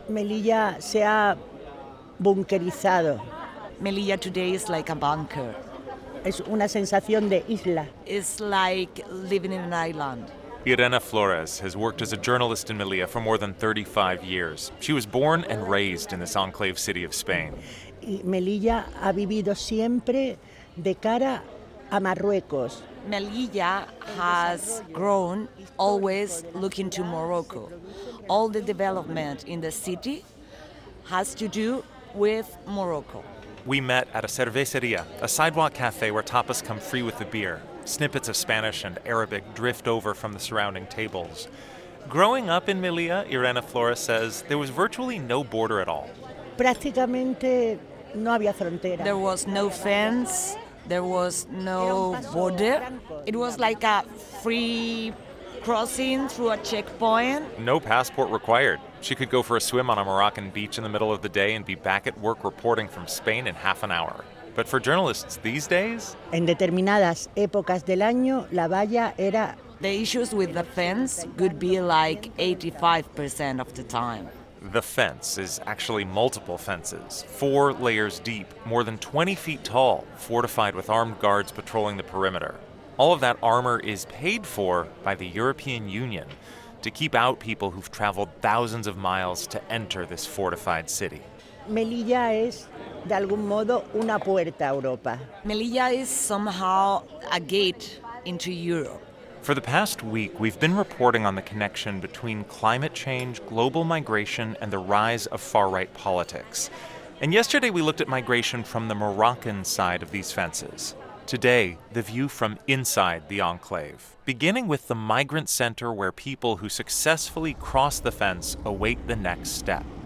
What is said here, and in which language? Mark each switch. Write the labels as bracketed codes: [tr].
[es] Melilla se ha bunkerizado. [en] Melilla today is like a bunker. [es] Es una sensación de isla. [en] It's like living in an island. Irena Flores has worked as a journalist in Melilla for more than 35 years. She was born and raised in this enclave city of Spain. [es] Melilla ha vivido siempre de cara a Marruecos. [en] Melilla has grown always looking to Morocco. All the development in the city has to do with Morocco. We met at a cerveceria, a sidewalk cafe where tapas come free with the beer. Snippets of Spanish and Arabic drift over from the surrounding tables. Growing up in Melilla, Irena Flores says, there was virtually no border at all. [es] Prácticamente no había frontera. [en] There was no fence, there was no border. It was like a free crossing through a checkpoint. No passport required. She could go for a swim on a Moroccan beach in the middle of the day and be back at work reporting from Spain in half an hour. But for journalists these days? [es] En determinadas épocas del año, la valla era... [en] The issues with the fence could be like 85% of the time. The fence is actually multiple fences, 4 layers deep, more than 20 feet tall, fortified with armed guards patrolling the perimeter. All of that armor is paid for by the European Union to keep out people who've traveled thousands of miles to enter this fortified city. [es] Melilla [en] is, [es] de algún modo, una puerta a Europa. [en] Melilla is somehow a gate into Europe. For the past week, we've been reporting on the connection between climate change, global migration, and the rise of far-right politics. And yesterday, we looked at migration from the Moroccan side of these fences. Today, the view from inside the enclave, beginning with the migrant center where people who successfully cross the fence await the next step.